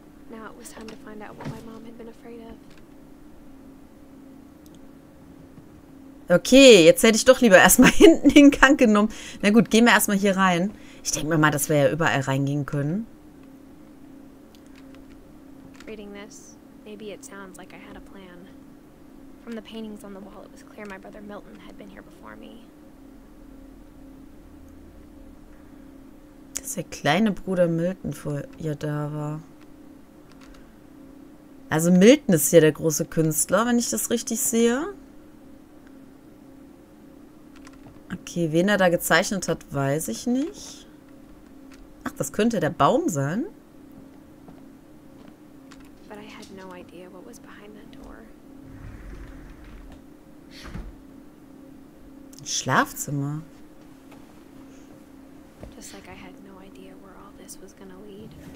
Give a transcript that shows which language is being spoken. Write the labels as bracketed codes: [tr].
[en] Now it was time to find out what my mom had been afraid of. [de] Okay, jetzt hätte ich doch lieber erstmal hinten den Gang genommen. Na gut, gehen wir erstmal hier rein. Ich denke mir mal, dass wir ja überall reingehen können. [en] Reading this, maybe it sounds like I had a plan. From the paintings on the wall, it was clear my brother Milton had been here before me. [de] Dass der kleine Bruder Milton vor ihr da war. Also Milton ist hier der große Künstler, wenn ich das richtig sehe. Okay, wen er da gezeichnet hat, weiß ich nicht. Ach, das könnte der Baum sein. [en] But I had no idea what was behind that door. [de] Schlafzimmer. [en] Just like I had no idea where all this was gonna lead.